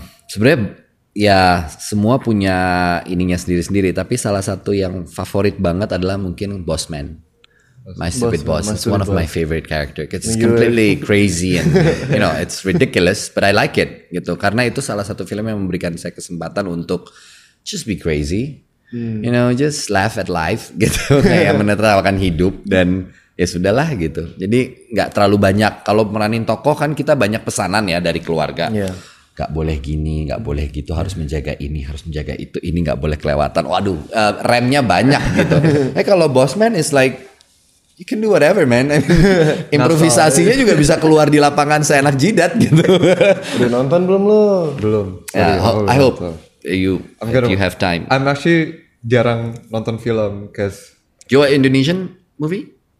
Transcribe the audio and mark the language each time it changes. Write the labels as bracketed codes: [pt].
[id] Sebenarnya ya semua punya ininya sendiri-sendiri. Tapi salah satu yang favorit banget adalah mungkin Bossman. [en] My Stupid Boss. Boss. It's one of my favorite character. It's completely crazy and you know it's ridiculous, but I like it gitu. [id] Karena itu salah satu film yang memberikan saya kesempatan untuk [en] just be crazy. You know, just laugh at life [id] gitu, kayak menertawakan hidup dan ya sudahlah gitu. Jadi gak terlalu banyak, kalau meranin tokoh kan kita banyak pesanan ya dari keluarga. [en] Yeah. [id] Gak boleh gini, gak boleh gitu, harus menjaga ini, harus menjaga itu, ini gak boleh kelewatan. Waduh, remnya banyak gitu. Eh kalau [en] Bossman is like, you can do whatever man. [id] Improvisasinya juga bisa keluar di lapangan seenak jidat gitu. Udah nonton belum lo? Belum. [en] Yeah, I hope. You have time. I'm actually [id] jarang nonton film, [en] cause you're Indonesian movie?